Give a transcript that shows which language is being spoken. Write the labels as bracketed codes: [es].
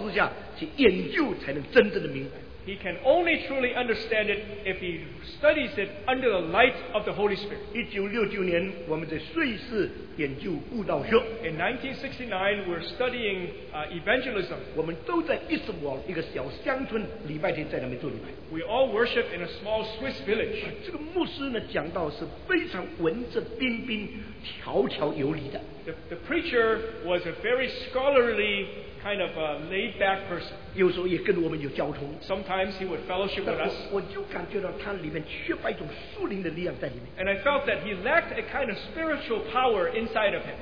[zh] 他要用他的生命在圣灵的光照之下去研究才能真正的明白。 [en] He can only truly understand it if he studies it under the light of the Holy Spirit. [zh] 1969年, 我们在瑞士研究布道学。 [en] In 1969, we're studying evangelism. [zh] 我们都在一个小乡村礼拜天在那边做礼拜。 [en] We all worship in a small Swiss village. [zh] 这个牧师呢, 讲道是非常文质彬彬, 条条有理的。 [en] The preacher was a very scholarly kind of a laid back person. [zh] 有时候也跟我们有交通, [en] sometimes he would fellowship with us. And I felt that he lacked a kind of spiritual power inside of him.